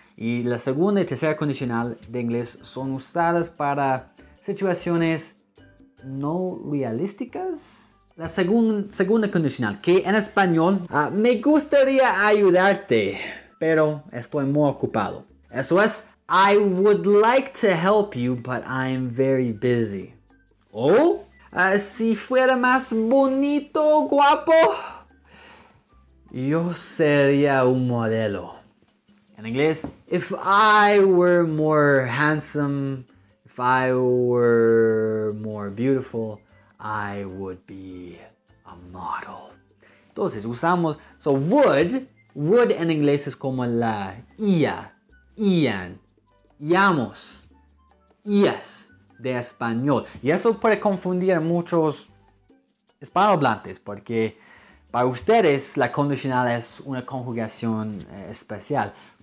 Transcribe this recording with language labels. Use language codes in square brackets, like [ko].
[es] Y la segunda y tercera condicional de inglés son usadas para situaciones no realísticas. La segunda condicional, que en español, me gustaría ayudarte, pero estoy muy ocupado. Eso es, [en] I would like to help you, but I'm very busy. [es] O, si fuera más bonito, guapo, yo sería un modelo. En inglés, [en] if I were more handsome, if I were more beautiful, I would be a model. [es] Entonces usamos, so would en inglés es como la ia, ian, íamos, ias de español. Y eso puede confundir a muchos hispanohablantes porque para ustedes la condicional es una conjugación especial.